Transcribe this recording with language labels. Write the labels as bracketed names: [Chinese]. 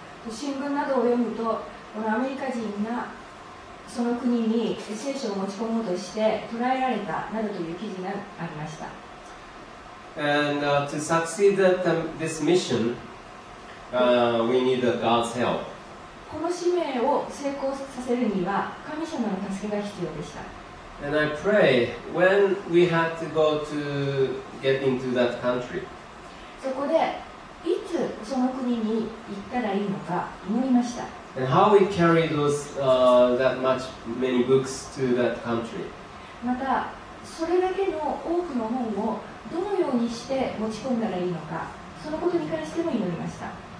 [Japanese] 新聞などを読むと、このアメリカ人がその国に聖書を持ち込もうとして捕らえられたなどという記事がありました。 [English] And to succeed at this mission, we need God's help. [Japanese] この使命を成功させるには神様の助けが必要でした。 [English] And I pray when we had to go to get into that country. [Japanese] そこでいつその国に行ったらいいのか思いました。 [English] And how we carry those that much many books to that country. [Japanese] またそれだけの多くの本をどのようにして持ち込んだらいいのか、そのことに関しても祈りました。